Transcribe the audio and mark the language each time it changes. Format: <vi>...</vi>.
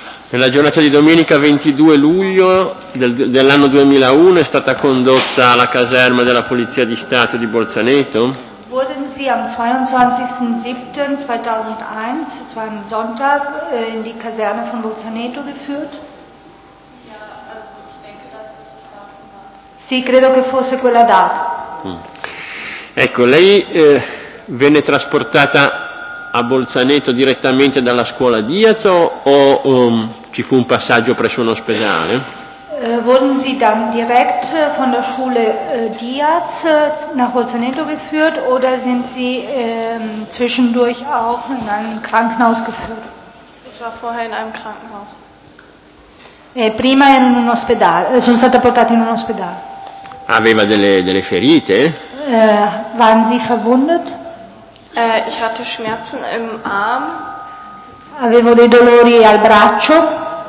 <it>Nella giornata di domenica 22 luglio dell'anno 2001 è stata condotta alla caserma della Polizia di Stato di Bolzaneto.</it> <de>Wurden Sie am 22.07.2001, es war ein Sonntag, in die Kaserne von Bolzaneto geführt?</de> <it>Sì, credo che fosse quella data. Ecco, lei venne trasportata a Bolzaneto direttamente dalla scuola Diaz o ci fu un passaggio presso un ospedale?</it> <de>Wurden Sie dann direkt von der Schule Diaz nach Bolzaneto geführt oder sind Sie zwischendurch auch in ein Krankenhaus geführt? Ich war vorher in einem Krankenhaus.</de> <it>Prima in un ospedale, sono stata portata in un ospedale. Aveva delle ferite?</it> <de>Waren Sie verwundet? Ich hatte Schmerzen im Arm.</de> <it>Avevo dei dolori al braccio.</it>